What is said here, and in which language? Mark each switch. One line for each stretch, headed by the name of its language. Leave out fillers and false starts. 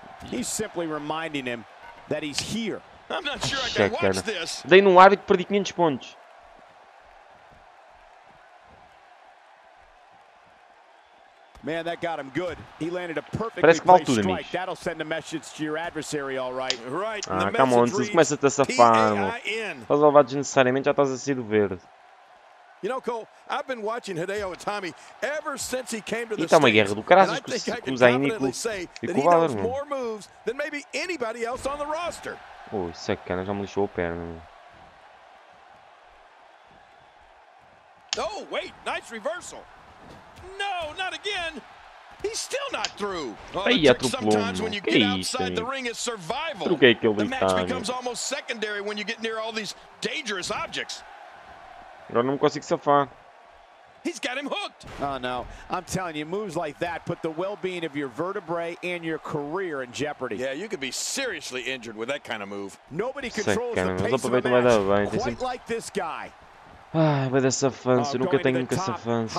English: He's simply reminding him that he's here. I'm not sure I can watch this.
Portuguese: Dei no árbitro, perdi 500 pontos.
English: Man, that got him good. He landed a perfect strike. That'll send a message to your adversary, all right. Right. Ah, come on,
Portuguese: se começa a te safar. Estás a levar desnecessariamente, já estás a ser o verde.
English: You know, Cole, I've been watching Hideo Itami ever since he came to the
Portuguese: States. E está uma guerra do caralho com o Zayn e com o Valor, mano.
English: More moves than maybe anybody else on the roster.
Portuguese: Oh, isso é que já me lixou a perna.
English: Oh, wait, nice reversal. No, not again. He's still not through.
Portuguese: Aí atropelou.
English: Sometimes when you get outside the ring, it's survival. The match becomes almost secondary when you get near all these dangerous objects.
Portuguese: Agora não me consigo safar.
English: He's got him hooked. Oh no, I'm telling you, moves like that put the well-being of your vertebrae and your career in jeopardy. Yeah, you could be seriously injured with that kind of move. Nobody controls the pace of a match quite like this guy.
Portuguese: Ai, vai dar safanço, eu nunca tenho nunca safanço.